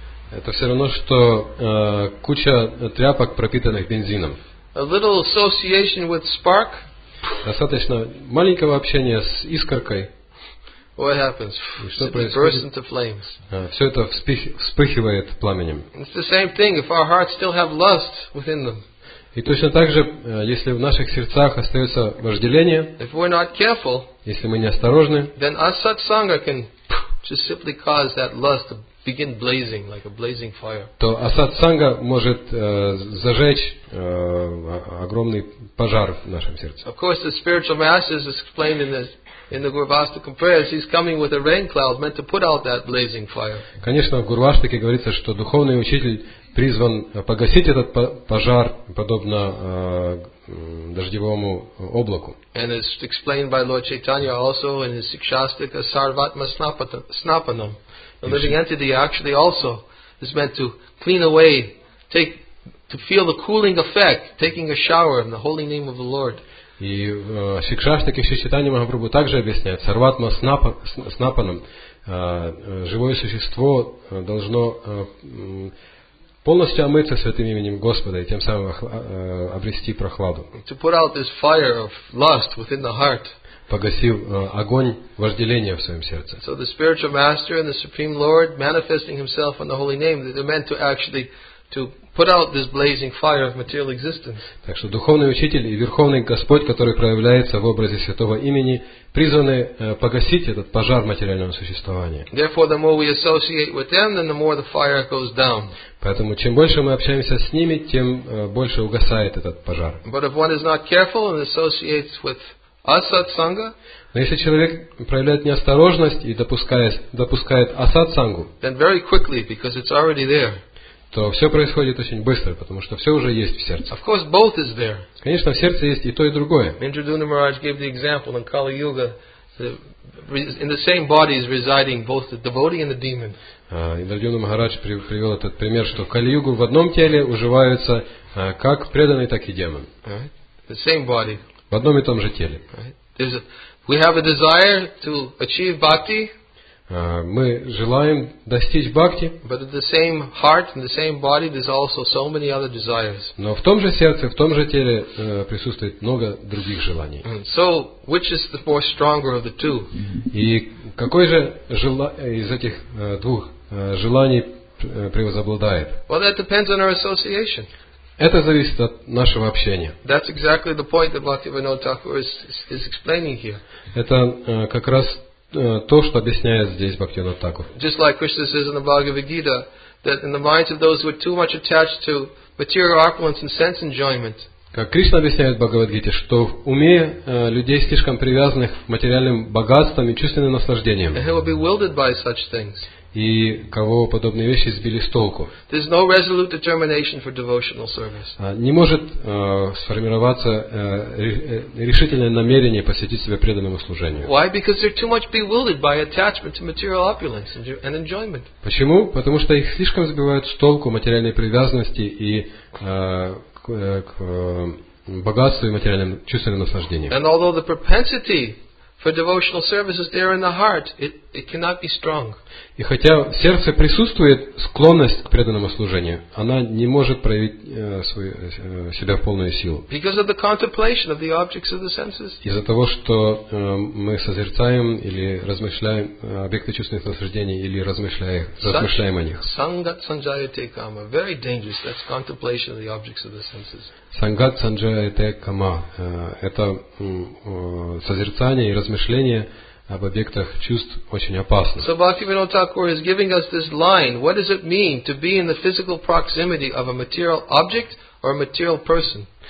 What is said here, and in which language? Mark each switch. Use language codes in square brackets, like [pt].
[ru] Это все равно, что куча тряпок, пропитанных бензином. [en] A little association with spark. [ru] Достаточно маленького общения с искоркой. [en] What happens? [ru] Что происходит? [en] It bursts into flames. [ru] Все это вспыхивает пламенем. [en] It's the same thing if our hearts still have lust within them. [ru] И точно так же, если в наших сердцах остается вожделение, [en] if we're not careful, [ru] если мы неосторожны, [en] then asat sangha can just simply cause that lust to begin blazing like a blazing fire. [ru] То асад санга может зажечь огромный пожар в нашем сердце. [en] Of course, the spiritual masters explained in the Gurvastika prayers, he's coming with a rain cloud meant to put out that blazing fire. [ru] Конечно, в Гурваштике говорится, что духовный учитель призван погасить этот пожар подобно дождевому облаку. [en] And it's explained by Lord Chaitanya also in his Sikshastika Sarvatma Snapanam. The living entity actually also is meant to clean away, to feel the cooling effect, taking a shower in the holy name of the Lord. [ru] И Шикшаштаке Шичитане Махапрабху также объясняет, Сарватма Снапанам, живое существо должно полностью омыться святым именем Господа и тем самым обрести прохладу. [en] To put out this fire of lust within the heart. [ru] Погасив огонь вожделения в своем сердце. [en] So the spiritual master and the supreme lord manifesting himself in the holy name, they're meant to actually to put out this blazing fire of material existence. [ru] Так что духовный учитель и верховный Господь, который проявляется в образе святого имени, призваны погасить этот пожар материального существования. [en] Therefore, the more we associate with them, then the more the fire goes down. [ru] Поэтому чем больше мы общаемся с ними, тем больше угасает этот пожар. [en] But if one is not careful and associates with асад санга, [ru] но если человек проявляет неосторожность и допускает асад сангу, [en] then very quickly, because it's already there, [ru] то все происходит очень быстро, потому что все уже есть в сердце. [en] Of course, both is there. [ru] Конечно, в сердце есть и то, и другое. [en] Indraduna Maharaj gave the example in Kali Yuga, in the same body is residing both the devotee and the demon. [ru] Индрадюна Махарадж привел этот пример, что в Кали-Югу в одном теле уживаются как преданный, так и демон. [en] The same body. [ru] В одном и том же теле. [en] Right. We have a desire to achieve bhakti. [ru] Мы желаем достичь бхакти. [en] But in the same heart, in the same body, there's also so many other desires. [ru] Но в том же сердце, в том же теле присутствует много других желаний. [en] So, which is the more stronger of the two? [ru] И какой же из этих двух желаний превозобладает? [en] Well, that depends on our association. [ru] Это зависит от нашего общения. [en] That's exactly the point that Bhaktivinoda Thakur is explaining here. [ru] Это как раз то, что объясняет здесь Бхактивинода Тхакур. [en] Just like Krishna says in the Bhagavad Gita, that in the minds of those who are too much attached to material opulence and sense enjoyment. [ru] Как Кришна объясняет Бхагавад-гите, что в уме людей, слишком привязанных к материальным богатствам и чувственным наслаждениям. [en] And who are bewildered by such things. [ru] И кого подобные вещи сбили с толку. [en] There's no resolute determination for devotional service. [ru] Не может сформироваться решительное намерение посвятить себя преданному служению. [en] Why? Because they're too much bewildered by attachment to material opulence and enjoyment. [ru] Почему? Потому что их слишком сбивают с толку материальные привязанности и к богатству и материальным чувственным наслаждениям. [en] And although the propensity for devotional service is there in the heart, it cannot be strong. [ru] И хотя в сердце присутствует склонность к преданному служению, она не может проявить себя в полную силу. [en] Because of the contemplation of the objects of the senses. [ru] Из-за того, что мы созерцаем или размышляем объекты чувственных наслаждений или размышляем о них. [sa] Sangat sanjayate kama, [en] very dangerous. That's contemplation of the objects of the senses. [sa] Sangat sanjayate kama, [ru] это созерцание и размышление об объектах чувств очень опасно. [en] So Bhaktivinoda Thakur is giving us this line. What does it mean to be in the physical proximity of a material object or a material person?